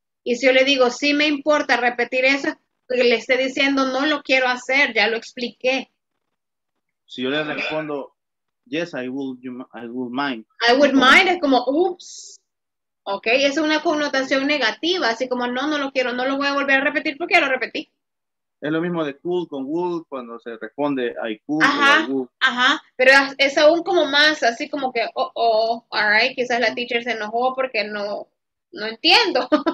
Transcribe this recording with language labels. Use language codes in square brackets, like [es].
[es] Y si yo le digo, sí me importa repetir eso, que le esté diciendo, no lo quiero hacer, ya lo expliqué. Si yo le respondo, [en] yes, I would mind. I would mind [es] es como, [en] oops. [es] Ok, es una connotación negativa, así como, no lo quiero, no lo voy a volver a repetir porque ya lo repetí. Es lo mismo de could con would cuando se responde, [en] I could. [es] Ajá, pero es aún como más, así como que, [en] oh, all right, [es] quizás la teacher se enojó porque no entiendo.